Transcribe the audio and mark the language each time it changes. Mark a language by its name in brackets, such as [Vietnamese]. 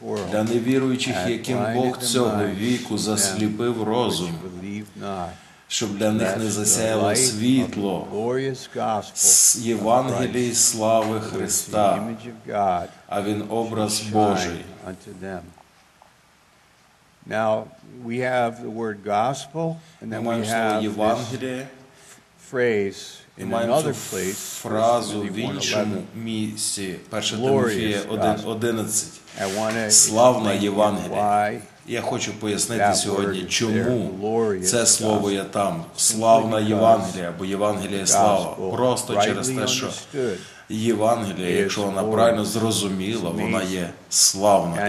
[Ukrainian] Для невіруючих, яким Бог цього віку засліпив розум, щоб для них не засяяло світло Євангелії слави Христа, а він образ Божий. [English] Now we have the word gospel, and then we have this phrase in another place. [Ukrainian] Фразу в іншому місці, 1 Тимофія 1:11. Славна Євангелія. Я хочу пояснити сьогодні, чому це слово є там. Славна Євангелія, бо Євангелія слава. Просто через те, що Євангелія, якщо вона правильно зрозуміла, вона є славна.